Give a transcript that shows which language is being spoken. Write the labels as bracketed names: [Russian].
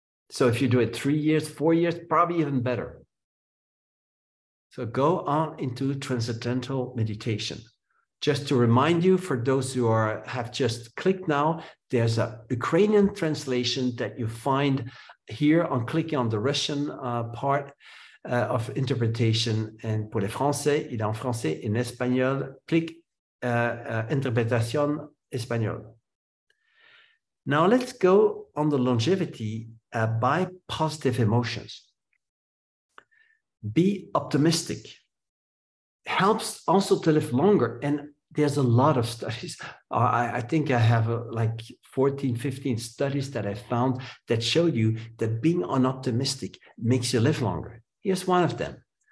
[English] So if you do it 3 years, 4 years, probably even better. So go on into transcendental meditation. Just to remind you, for those who have just clicked now, there's a Ukrainian translation that you find here on clicking on the Russian part of interpretation. And [French] pour les Français, il est en français, en espagnol, clic interpretation espagnol. [English] Now let's go on the longevity by positive emotions. Be optimistic. Helps also to live longer. And there's a lot of studies. I think I have like 14, 15 studies that I found that show you that being unoptimistic makes you live longer. Here's one of them.